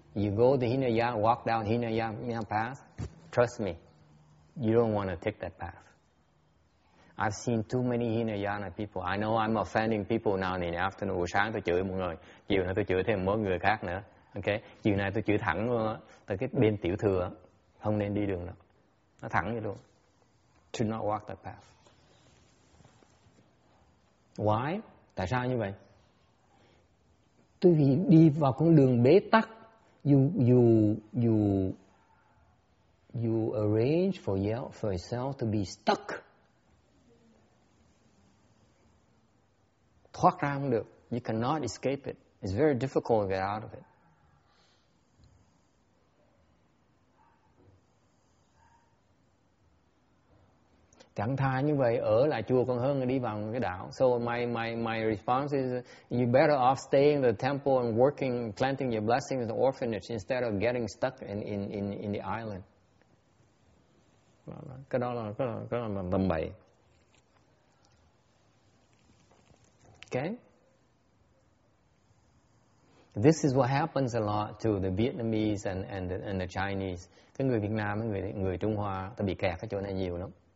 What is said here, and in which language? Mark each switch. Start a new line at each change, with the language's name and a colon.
English: You go to Hinayana, walk down Hinayana path. Trust me, you don't want to take that path. I've seen too many Hinayana people. I know I'm offending people now in the afternoon.
Vietnamese: Sáng tôi chửi một người, chiều nay tôi chửi thêm mấy người khác nữa. Okay, chiều nay tôi chửi thẳng luôn á. Tại cái bên tiểu thừa không nên đi đường đó. Nó thẳng vậy luôn.
English: To not walk that path. Why?
Vietnamese: Tại sao như vậy? Tôi vì đi vào con đường bế tắc.
English: You arrange for yourself to be stuck.
Vietnamese: Thoát ra không được.
English: You cannot escape it. It's very difficult to get out of it.
Vietnamese: Chẳng thà như vậy ở lại chùa còn hơn là đi vào cái đảo.
English: So my response is you better off staying in the temple and working, planting your blessings in the orphanage instead of getting stuck in the island.
Vietnamese: Cái đó là tầm bậy.
English: Okay? This is what happens a lot to the Vietnamese and the Chinese.
Vietnamese: Cái người Việt Nam, người Trung Hoa ta bị kẹt ở chỗ này nhiều lắm.